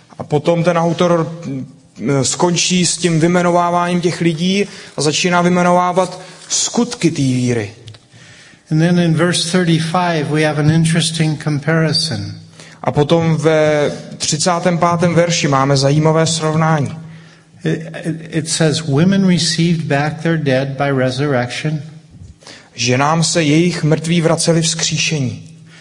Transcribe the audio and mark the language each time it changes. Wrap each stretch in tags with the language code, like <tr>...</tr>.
<cs>A potom ten autor skončí s tím vymenováváním těch lidí a začíná vymenovávat skutky té víry.</cs> <en>And then in verse 35 we have an interesting comparison.</en> <cs>A potom ve 35. verši máme zajímavé srovnání.</cs> <en>It says women received back their dead by resurrection.</en> <cs>Ženám se jejich mrtví vraceli vzkříšení.</cs>